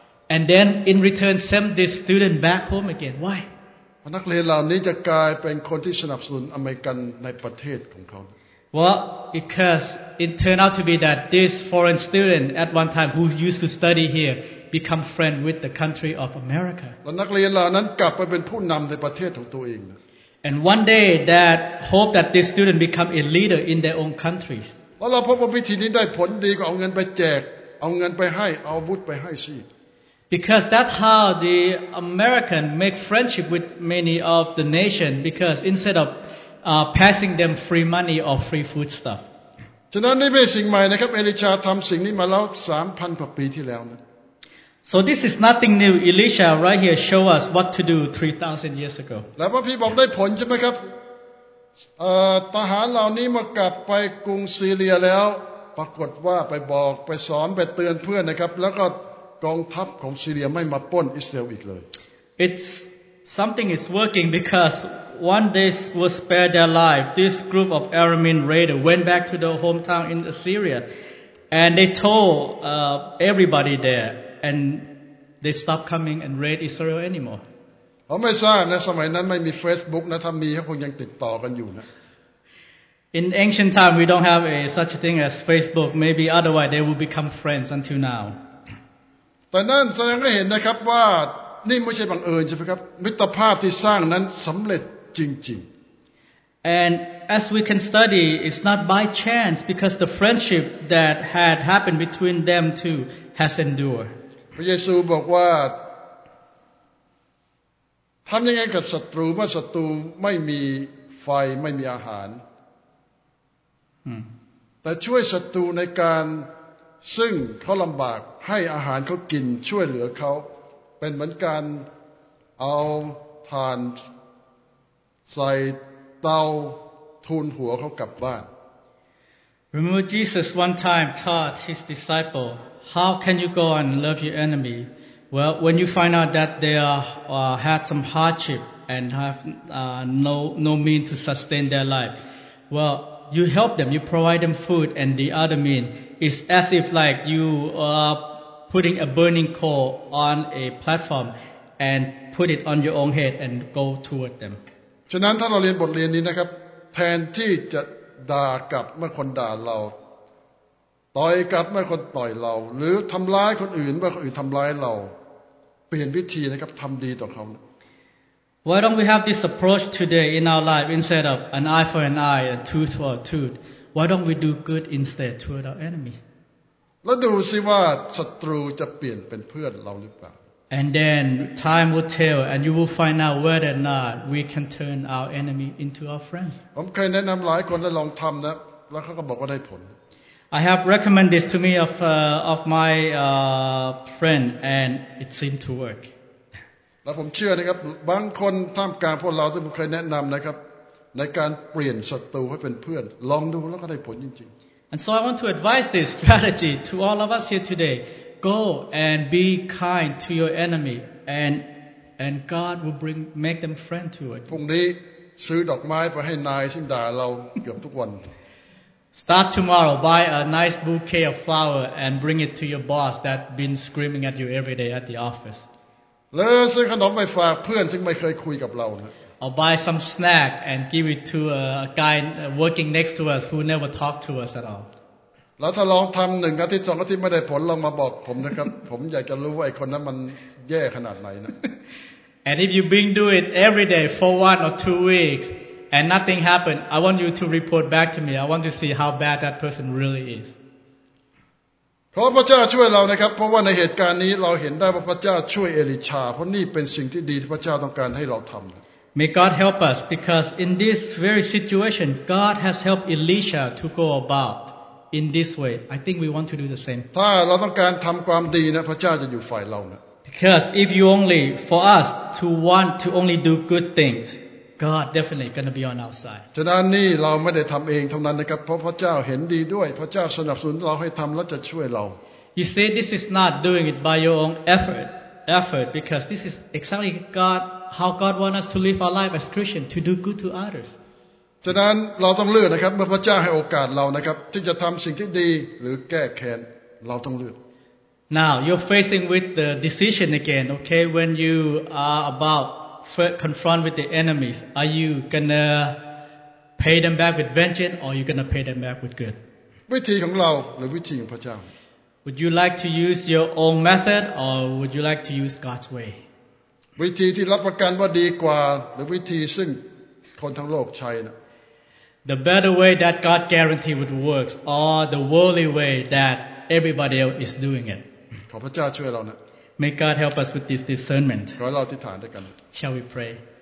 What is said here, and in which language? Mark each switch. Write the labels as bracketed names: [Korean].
[English] And then in return send this student back home again. Why? [Thai] นักเรียนเหล่านี้จะกลายเป็นคนที่สนับสนุนอเมริกันในประเทศของเขา [English] Well, because it turned out to be that this foreign student at one time who used to study here become friend with the country of America. [Thai] นักเรียนเหล่านั้นกลับไปเป็นผู้นําในประเทศของตัวเอง [English] And one day that hope that this student become a leader in their own countries. [Thai] เราพบว่าวิธีนี้ได้ผลดีกว่าเอาเงินไปแจกเอาเงินไปให้เอาอาวุธไปให้สิ [English] Because that's how the American make friendship with many of the nation because instead of passing them free money or free food stuff. [Thai] ฉะนั้นนี่เป็นสิ่งใหม่นะครับเอลิชาทำสิ่งนี้มาแล้ว 3,000 กว่าปีที่แล้วนะ [English] So this is nothing new. Elisha right here show us what to do 3,000 years ago. [Thai] แล้วพระพี่บอกได้ผลใช่ไหมครับทหารเหล่านี้มากลับไปกรุงซีเรียแล้วปรากฏว่าไปบอกไปสอนไปเตือนเพื่อนนะครับแล้วก็กองทัพของซีเรียไม่มาปล้นอิสราเอลอีกเลย [English] It's something is working because one day was spared their life. This group of Aramean raiders went back to their hometown in Assyria and they told everybody thereAnd they stopped coming and raid Israel anymore. [Thai] ผมไม่ทราบนะสมัยนั้นไม่มี Facebook นะถ้ามีก็คงยังติดต่อกันอยู่นะ [English] In ancient time, we don't have a such a thing as Facebook. Maybe otherwise, they will become friends until now. [Thai] แต่นั่นแสดงให้เห็นนะครับว่านี่ไม่ใช่บังเอิญใช่ไหมครับมิตรภาพที่สร้างนั้นสำเร็จจริง [English] ๆ And as we can study, it's not by chance because the friendship that had happened between them two has endured. [Thai] พระเยซูบอกว่าทำยังไงกับศัตรูเมื่อศัตรูไม่มีไฟไม่มีอาหารแต่ช่วยศัตรูในการซึ่งเขาลำบากให้อาหารเขากินช่วยเหลือเขาเป็นเหมือนการเอาถ่านใส่เตาทูลหัวเขากลับบ้าน [English] Remember Jesus one time taught his disciple how can you go and love your enemy well when you find out that they are had some hardship and have no mean to sustain their life wellYou help them, you provide them food and the other means. It's as if like you are putting a burning coal on a platform and put it on your own head and go toward them. [Thai] ฉะนั้นถ้าเราเรียนบทเรียนนี้นะครับแทนที่จะด่ากลับเมื่อคนด่าเราต่อยกลับเมื่อคนต่อยเราหรือทำร้ายคนอื่นเมื่อคนอื่นทำร้ายเราเปลี่ยนวิธีนะครับทำดีต่อเขา [English] Why don't we have this approach today in our life instead of an eye for an eye, a tooth for a tooth? Why don't we do good instead toward our enemy? [Thai] แล้วดูสิว่าศัตรูจะเปลี่ยนเป็นเพื่อนเราหรือเปล่า [English] And then time will tell, and you will find out whether or not we can turn our enemy into our friend. [Thai] ผมเคยแนะนำหลายคนแล้วลองทำนะแล้วเขาก็บอกว่าได้ผล [English] I have recommended this to me of my friend, and it seemed to work. [Thai] แล้วผมเชื่อนะครับบางคนท่ามกลางพวกเราที่ผมเคยแนะนำนะครับในการเปลี่ยนศัตรูให้เป็นเพื่อนลองดูแล้วก็ได้ผลจริง [English] ๆ And so I want to advise this strategy to all of us here today. Go and be kind to your enemy, and God will make them friend to it. [Thai] พรุ่งนี้ซื้อดอกไม้ไปให้นายซึ่งด่าเราเกือบทุกวัน [English] Start tomorrow. Buy a nice bouquet of flower and bring it to your boss that been screaming at you every day at the office. [Thai] หรือซื้อขนมไปฝากเพื่อนซึ่งไม่เคยคุยกับเรานะ [English] I'll buy some snack and give it to a guy working next to us who never talked to us at all [Thai] แล้วถ้าลองทำหนึ่งอาทิตย์สองอาทิตย์ไม่ได้ผลลองมาบอกผมนะครับ ผมอยากจะรู้ว่าไอ้คนนั้นมันแย่ขนาดไหนนะ [English] And if you been do it every day for 1 or 2 weeks and nothing happened I want you to report back to me I want to see how bad that person really is [Thai] ขอพระเจ้าช่วยเรานะครับเพราะว่าในเหตุการณ์นี้เราเห็นได้ว่าพระเจ้าช่วยเอลิชาเพราะนี่เป็นสิ่งที่ดีที่พระเจ้าต้องการให้เราทำ [English] May God help us because in this very situation God has helped Elisha to go about in this way I think we want to do the same [Thai] ถ้าเราต้องการทำความดีนะพระเจ้าจะอยู่ฝ่ายเรานะ [English] Because if you only for us to want to only do good things God definitely gonna be on our side [Thai] ฉะนั้นนี่เราไม่ได้ทำเองเท่านั้นนะครับเพราะพระเจ้าเห็นดีด้วยพระเจ้าสนับสนุนเราให้ทำและจะช่วยเรา [English] You see this is not doing it by your own effort because this is exactly God how God want us to live our life as Christian to do good to others [Thai] ฉะนั้นเราต้องเลือกนะครับเมื่อพระเจ้าให้โอกาสเรานะครับที่จะทำสิ่งที่ดีหรือแก้แค้นเราต้องเลือก [English] Now you're facing with the decision again okay when you are aboutconfront with the enemies are you gonna pay them back with vengeance or are you gonna pay them back with good [Thai] วิธีของเราหรือวิธีของพระเจ้า [English] Would you like to use your own method or would you like to use God's way [Thai] วิธีที่รับประกันว่าดีกว่าหรือวิธีซึ่งคนทั้งโลกใช้นะ [English] The better way that God guarantee would work or the worldly way that everybody else is doing it [Thai] ขอพระเจ้าช่วยเรานะ [English] May God help us with this discernment. [Thai] ขอเราอธิษฐานด้วยกัน [English] Shall we pray?